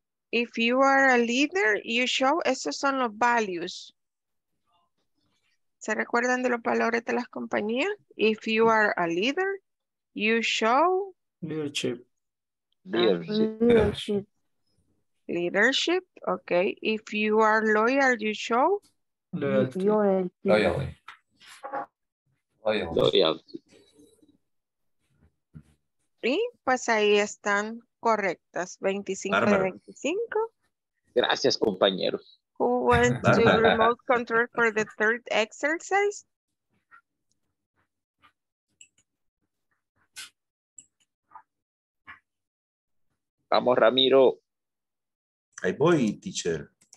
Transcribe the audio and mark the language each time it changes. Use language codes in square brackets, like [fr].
[en] If you are a leader, you show. [es] Esos son los values. ¿Se recuerdan de los valores de las compañías? [en] If you are a leader, you show... Leadership. Leadership. Leadership, ok. If you are loyal, you show... Loyalty. Loyalty. Loyalty. Loyalty. [es] Y pues ahí están correctas. 25 de 25. Gracias, compañeros. [en] Who went to remote control for the third exercise? [es] Vamos, Ramiro. Ahí voy, teacher.